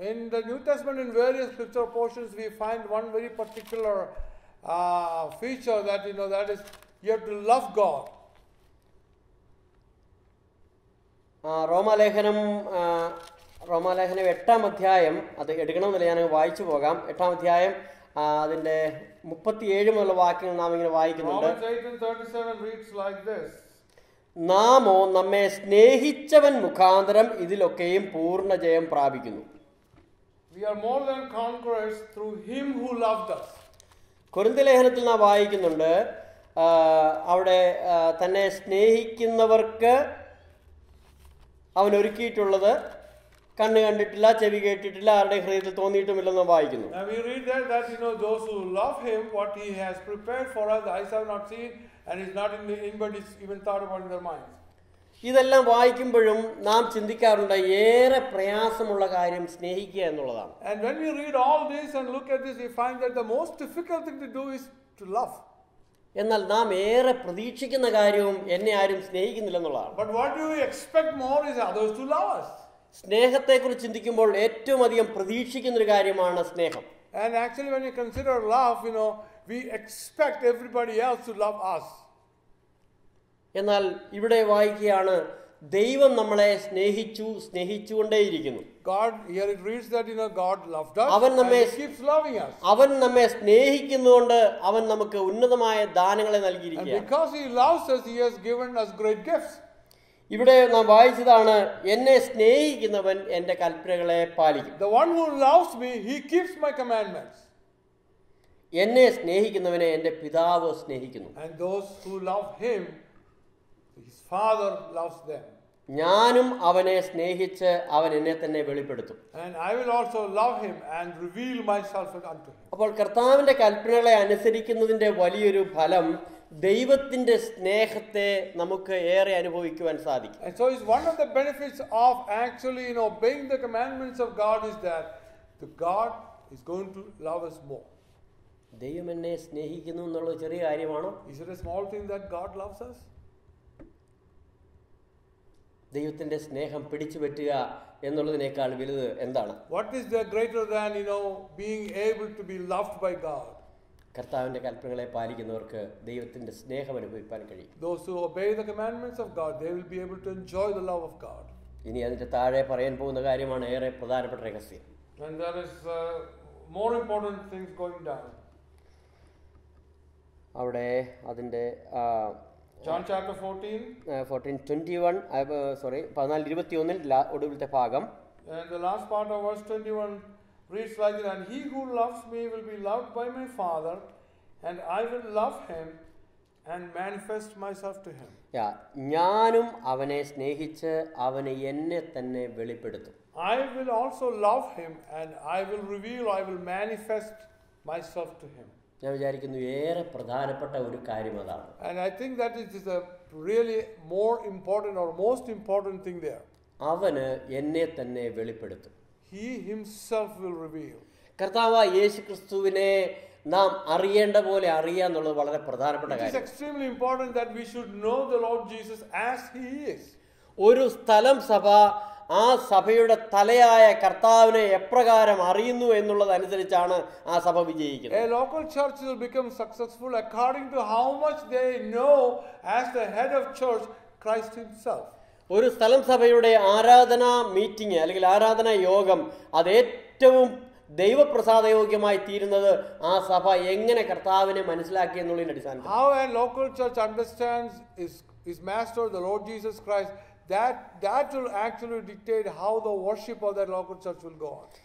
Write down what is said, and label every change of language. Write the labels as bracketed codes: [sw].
[en] In the New Testament, in various scripture portions, we find one very particular feature that, you know, that is, you have to love God. [ml] റോമാലേഖനം റോമാലേഖനം 8-ാം അധ്യായം അത് എടുക്കണമെന്നില്ല, ഞാൻ വായിച്ചു പോകാം. 8-ാം അധ്യായം അതിൻ്റെ 37 മുതൽ വാക്യങ്ങൾ നാം ഇങ്ങനെ വായിക്കുന്നുണ്ട്. നാമോ നമ്മെ സ്നേഹിച്ചവൻ മുഖാന്തരം ഇതിലൊക്കെയും പൂർണ്ണ ജയം പ്രാപിക്കുന്നു. [en] We are more than conquerors through him who loved us. [ml] കൊരിന്ത്യലേഖനത്തിൽ നാം വായിക്കുന്നുണ്ട് അവിടെ തന്നെ സ്നേഹിക്കുന്നവർക്ക് അവൻ ഒരുക്കിയിട്ടുള്ളത് കണ്ണ് കണ്ടിട്ടില്ല, ചെവി കേട്ടിട്ടില്ല, ആരുടെ ഹൃദയത്തിൽ തോന്നിയിട്ടുമില്ലെന്ന് വായിക്കുന്നു. [en] Now we read that, you know, those who love him, what he has prepared for us, eyes have not seen and is not in anybody's even thought about in their minds. [ml] ഇതെല്ലാം വായിക്കുമ്പോഴും നാം ചിന്തിക്കാറുണ്ട് ഏറെ പ്രയാസമുള്ള കാര്യം സ്നേഹിക്കുക എന്നുള്ളതാണ്. [en] And when we read all this and look at this, we find that the most difficult thing to do is to love. [ml] എന്നാൽ നാം ഏറെ പ്രതീക്ഷിക്കുന്ന കാര്യവും എന്നെ ആരും സ്നേഹിക്കുന്നില്ല എന്നുള്ളതാണ്. [en] But what do you expect more is others to love us. [ml] സ്നേഹത്തെ കുറിച്ച് ചിന്തിക്കുമ്പോൾ ഏറ്റവും അധികം പ്രതീക്ഷിക്കുന്ന ഒരു കാര്യമാണ് സ്നേഹം. [en] And actually when you consider love, you know, we expect everybody else to love us. [ml] എന്നാൽ ഇവിടെ വായിക്കുകയാണ് ദൈവം നമ്മളെ സ്നേഹിച്ചു സ്നേഹിച്ചുകൊണ്ടേയിരിക്കുന്നു. [en] God, here it reads that, you know, God loved us. [ml] അവൻ നമ്മെ [en] and he keeps loving us. [ml] അവൻ നമ്മെ സ്നേഹിക്കുന്നതുകൊണ്ട് അവൻ നമുക്ക് ഉന്നതമായ ദാനങ്ങളെ നൽകിയിരിക്കുകയാണ്. [en] Because he loves us, he has given us great gifts. [ml] ഇവിടെ നാം വായിച്ചതാണ് എന്നെ സ്നേഹിക്കുന്നവൻ എൻ്റെ കൽപ്പനകളെ പാലിക്കും. [en] The one who loves me, he keeps my commandments. [ml] എന്നെ സ്നേഹിക്കുന്നവനെ എൻ്റെ പിതാവ് സ്നേഹിക്കുന്നു. [en] And those who love him, his father loves them. [ml] ഞാനും അവനെ സ്നേഹിച്ച് അവൻ എന്നെ തന്നെ വെളിപ്പെടുത്തും. [en] And I will also love him and reveal myself unto him. [ml] അപ്പോൾ കർത്താവിൻ്റെ കൽപ്പനകളെ അനുസരിക്കുന്നതിൻ്റെ വലിയൊരു ഫലം ദൈവത്തിന്റെ സ്നേഹത്തെ നമുക്ക് ഏറെ അനുഭവിക്കുവാൻ സാധിക്കും. [en] And so it's one of the benefits of actually, you know, obeying the commandments of God is that the God is going to love us more. [ml] ദൈവം എന്നെ സ്നേഹിക്കുന്നു എന്നുള്ള ചെറിയ കാര്യമാണോ? [en] Is it a small thing that God loves us? [ml] ദൈവത്തിന്റെ സ്നേഹം പിടിച്ചു പറ്റുക എന്നുള്ളതിനേക്കാൾ വലുത് എന്താണ്? [en] What is the greater than, you know, being able to be loved by God? [ml] കർത്താവിന്റെ കൽപ്പനകളെ പാലിക്കുന്നവർക്ക് ദൈവത്തിന്റെ സ്നേഹം അനുഭവിക്കാൻ കഴിയും. [en] Those who obey the commandments of God, they will be able to enjoy the love of God. [ml] ഇനി അതിന്റെ താഴെ പറയാൻ പോകുന്ന കാര്യമാണ് ഏറെ പ്രധാനപ്പെട്ട രഹസ്യം. [en] And there is more important things going down. [ml] അവിടെ അതിന്റെ [en] John chapter 14 [ml] 14:21 14:21 ഒടുവിലത്തെ ഭാഗം. [en] And the last part of verse 21 reads like that, and he who loves me will be loved by my father and I will love him and manifest myself to him. [ml] Yeah, ഞാനും അവനെ സ്നേഹിച്ച് അവനെ എന്നെ തന്നെ വെളിപ്പെടുത്തും. [en] I will also love him and I will reveal, I will manifest myself to him. [ml] ഞാൻ വിചാരിക്കുന്നു ഏറെ പ്രധാനപ്പെട്ട ഒരു കാര്യം അതാണ്. [en] And I think that is a really more important or most important thing there. [ml] അവനെ എന്നെ തന്നെ വെളിപ്പെടുത്തും. [en] He himself will reveal. [ml] കർത്താവായ യേശുക്രിസ്തുവിനെ നാം അറിയേണ്ട പോലെ അറിയുക എന്നുള്ളത് വളരെ പ്രധാനപ്പെട്ട കാര്യം. [en] It is extremely important that we should know the Lord Jesus as he is. [ml] ഒരു സ്ഥലം സഭ ആ സഭയുടെ തലയായ കർത്താവിനെ എപ്രകാരം അറിയുന്നു എന്നുള്ളതനുസരിച്ചാണ് ആ സഭ വിജയിക്കുന്നത്. [en] A local church will become successful according to how much they know as the head of church Christ himself. [ml] ഒരു സ്ഥലം സഭയുടെ ആരാധനാ മീറ്റിംഗ് അല്ലെങ്കിൽ ആരാധനാ യോഗം അത് ഏറ്റവും ദൈവപ്രസാദ യോഗ്യമായി തീരുന്നത് ആ സഭ എങ്ങനെ കർത്താവിനെ മനസ്സിലാക്കി എന്നുള്ളതിന്റെ അടിസ്ഥാനത്തിൽ. [en] How a local church understands his master, the Lord Jesus Christ, that will actually dictate how the worship of that local church will go on.